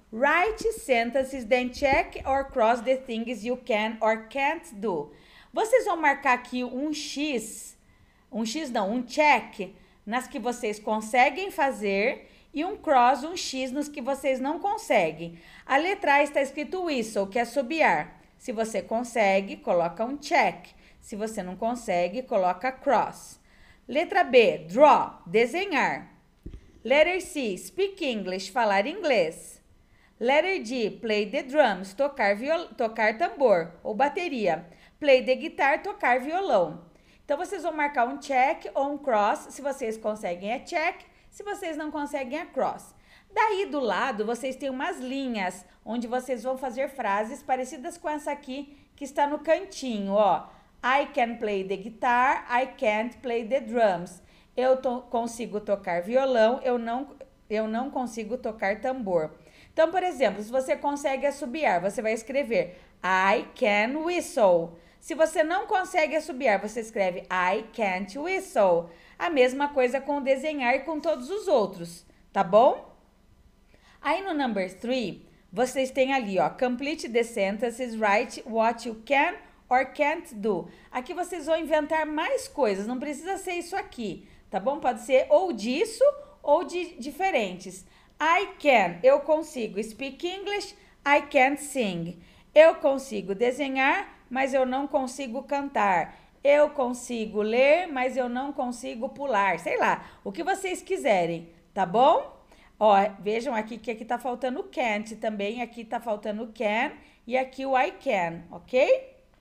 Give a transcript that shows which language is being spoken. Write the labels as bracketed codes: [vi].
[en] Write sentences, then check or cross the things you can or can't do. [pt] Vocês vão marcar aqui um X não, um check nas que vocês conseguem fazer. E um cross, um X nos que vocês não conseguem. A letra A está escrito whistle, que é assobiar. Se você consegue, coloca um check. Se você não consegue, coloca cross. Letra B, draw, desenhar. [en] Letter C, speak English, [pt] falar inglês. [en] Letter D, play the drums, [pt] tocar tambor ou bateria. [en] Play the guitar, [pt] tocar violão. Então vocês vão marcar um check ou um cross. Se vocês conseguem, é check. Se vocês não conseguem, é cross. Daí do lado, vocês têm umas linhas onde vocês vão fazer frases parecidas com essa aqui que está no cantinho, ó. [en] I can play the guitar, I can't play the drums. [pt] Eu consigo tocar violão, eu não consigo tocar tambor. Então, por exemplo, se você consegue assobiar, você vai escrever [en] I can whistle. [pt] Se você não consegue assobiar, você escreve [en] I can't whistle. [pt] A mesma coisa com desenhar e com todos os outros, tá bom? Aí no number 3, vocês têm ali, ó, [en] complete the sentences, write what you can or can't do. [pt] Aqui vocês vão inventar mais coisas, não precisa ser isso aqui, tá bom? Pode ser ou disso ou de diferentes. [en] I can, [pt] eu consigo [en] speak English, I can't sing. [pt] Eu consigo desenhar, mas eu não consigo cantar. Eu consigo ler, mas eu não consigo pular. Sei lá, o que vocês quiserem, tá bom? Ó, vejam aqui que aqui tá faltando can't também. Aqui tá faltando can e aqui o I can, ok?